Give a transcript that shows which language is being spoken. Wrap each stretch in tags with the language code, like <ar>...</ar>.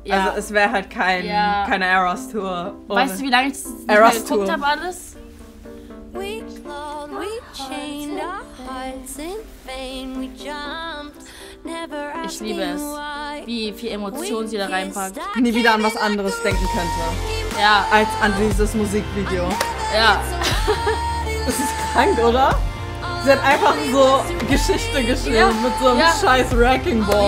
<de>Also es wäre halt keine Eras Tour. Weißt du, wie lange ich das nicht mehr geguckt habe alles?</de> <en>We clawed, we chained our hearts in vain, we jumped. Never asking why.</en> <de>Ich liebe es, wie viel Emotion sie da reinpackt. Nie wieder an was anderes denken könnte. Ja. Als an dieses Musikvideo. Ja. Das ist krank, oder? Sie hat einfach so Geschichte geschrieben mit so einem scheiß Wrecking Ball.</de>